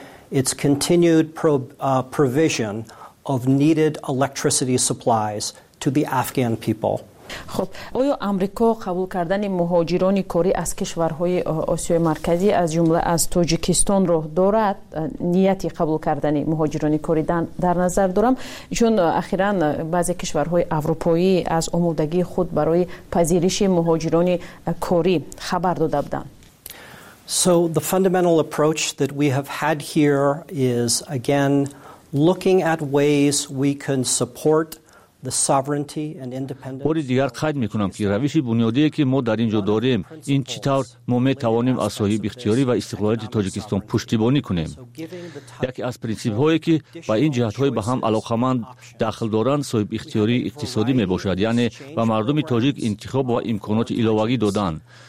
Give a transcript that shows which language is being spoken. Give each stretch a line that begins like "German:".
English: Its continued provision of needed electricity supplies to the Afghan people.
Persian: خب، آیا آمریکا قبول کردن مهاجران کاری از کشورهای آسیای مرکزی از جمله از تاجیکستان رو دارد؟ نیت قبول کردن مهاجران کاری در نظر دارم، چون اخیرا بعضی کشورهای اروپایی از آمادگی خود برای پذیرش مهاجران کاری خبر داده بودند.
English: So the fundamental approach that we have had here is again looking at ways we can support the sovereignty and independence.
Persian: بودی دیگر قید میکنم که روش بنیادی که ما در اینجا داریم این چطور ما میتوانیم از صاحب اختیاری و استقلالیت تاجیکستان پشتیبانی کنیم. یکی از پرینسیپ هایی که با این جهت های به هم علاقمند دخل دارند صاحب اختیاری اقتصادی میباشد، یعنی به مردم تاجیک انتخاب و امکانات ایلاوگی دادن.